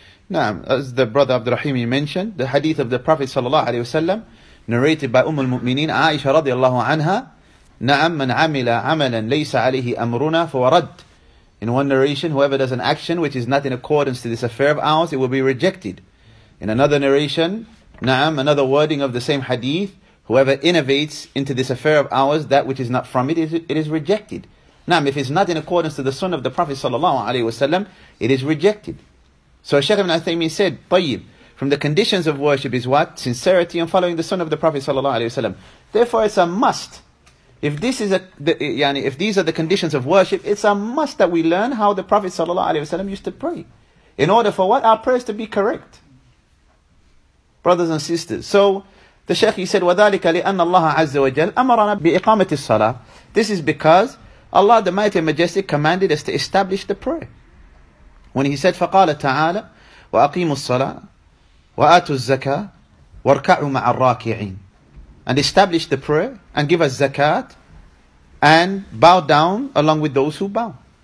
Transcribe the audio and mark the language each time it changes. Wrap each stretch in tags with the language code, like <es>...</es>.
<en>نعم, as the brother Abdul Rahim mentioned, the hadith of the Prophet صلى الله عليه وسلم narrated by أم المؤمنين عائشة رضي الله عنها.</en> <ar>نعم, من عمل عملا ليس عليه أمرنا فورد.</ar> <en>In one narration, whoever does an action which is not in accordance to this affair of ours, it will be rejected. In another narration, نعم, another wording of the same hadith, whoever innovates into this affair of ours, that which is not from it, it is rejected. نعم, if it's not in accordance to the sunnah of the Prophet صلى الله عليه وسلم, it is rejected. So Shaykh ibn Uthaymeen said, طيب, from the conditions of worship is what? Sincerity and following the sunnah of the Prophet صلى الله عليه وسلم. Therefore it's a must. If this is if these are the conditions of worship, it's a must that we learn how the Prophet sallallahu alaihi wasallam used to pray, in order for what, our prayers to be correct, brothers and sisters. So the Shaykh, he said,</en> <ar>وَذَلِكَ لِأَنَّ اللَّهَ عَزَّ وَجَلَّ أَمَرَنَا بِإِقَامَةِ الصَّلَاةِ.</ar> <en>This is because Allah the Mighty and Majestic commanded us to establish the prayer. When he said,</en> <ar>فَقَالَ تَعَالَى وَأَقِيمُ الصَّلَاةَ وَآتُ الزَّكَاةَ وَارْكَعُوا مَعَ الرَّاكِعِينَ,</ar> <en>and establish the prayer, and give us zakat, and bow down along with those who bow.</en>